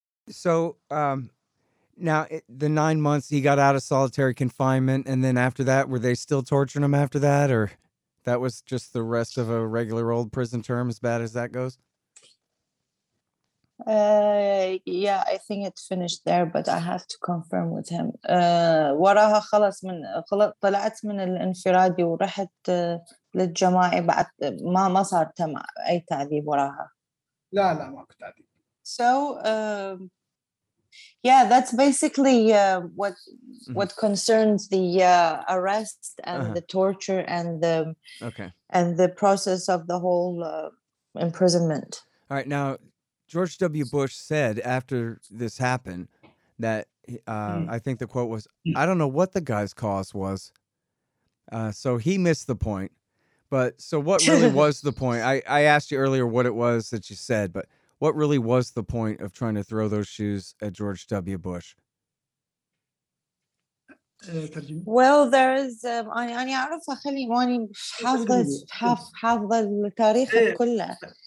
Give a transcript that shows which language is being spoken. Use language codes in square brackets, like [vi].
[en] So now the 9 months he got out of solitary confinement, and then after that, were they still torturing him after that, or that was just the rest of a regular old prison term, as bad as that goes? Yeah, I think it finished there, but I have to confirm with him. [ar] وراها خلاص من طلعت من الانفرادي ورحت للجماعي بعد ما صار تم أي تعذيب وراها. لا لا ما كنت تعذيب. [en] So yeah, that's basically what concerns the arrest and the torture and the and the process of the whole imprisonment. All right, now George W. Bush said after this happened that I think the quote was, I don't know what the guy's cause was. So he missed the point. But so what really was the point? I asked you earlier what it was that you said, but what really was the point of trying to throw those shoes at George W. Bush? Well, there is I [ar] أعرف خلي ماني حافظ التاريخ كله.